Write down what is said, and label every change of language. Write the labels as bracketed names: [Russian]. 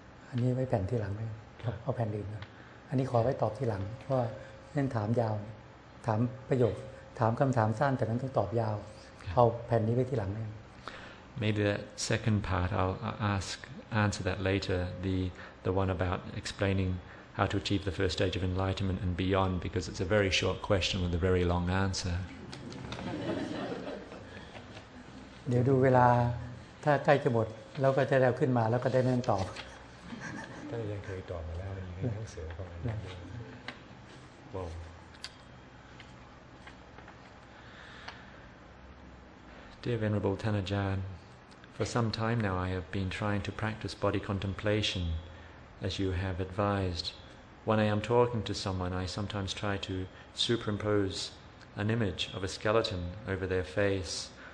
[Thai] อันนี้ไว้แผ่นที่หลังไหมครับเอาแผ่นอื่นนะอันนี้ขอไว้ตอบที่หลังเพราะเรื่องถามยาวถามประโยคถามคำถามสั้นแต่นั้นต้องตอบยาว okay. เอาแผ่นนี้ไว้ที่หลังเลย [English] Maybe the second part I'll answer that later the one about explaining how to achieve the first stage of enlightenment and beyond because it's a very short question with a very long answer [Thai] เดี๋ยวดูเวลาถ้าใกล้จะหมดแล้วก็จะเร็วขึ้นมาแล้วก็ได้ไม่ต้องตอบ ถ้ายังเคยตอบมาแล้วมันยังไม่ต้องเสือกันนะว้าว [English] Dear Venerable Tanajan, for some time now I have been trying to practice body contemplation, as you have advised. When I am talking to someone, I sometimes try to superimpose an image of a skeleton over their face.